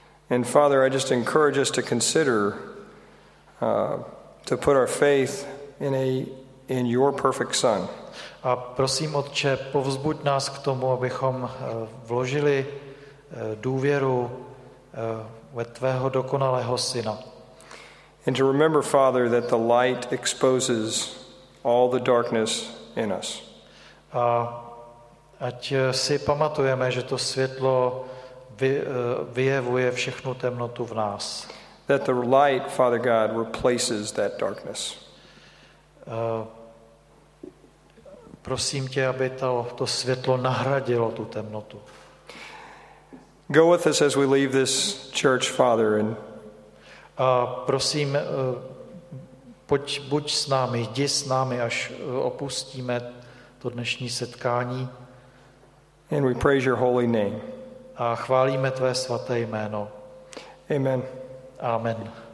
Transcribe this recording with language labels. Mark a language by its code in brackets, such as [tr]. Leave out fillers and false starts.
[en] And Father, I just encourage us to consider to put our faith in your perfect son. [cs] A prosím Otče, povzbuď nás k tomu, abychom vložili důvěru ve tvého dokonalého syna. [en] And to remember, Father, that the light exposes all the darkness in us. [cs] A ať si pamatujeme, že to světlo vyjevuje všechnu temnotu v nás. [en] That the light, Father God, replaces that darkness. [cs] Prosím tě, aby to světlo nahradilo tu temnotu. [en] Go with us as we leave this church, Father, and [cs] prosím, pojď, buď s námi, jdi s námi, až opustíme to dnešní setkání. [en] And we praise your holy name. [cs] A chválíme tvé svaté jméno. [en] Amen. [cs] Amen.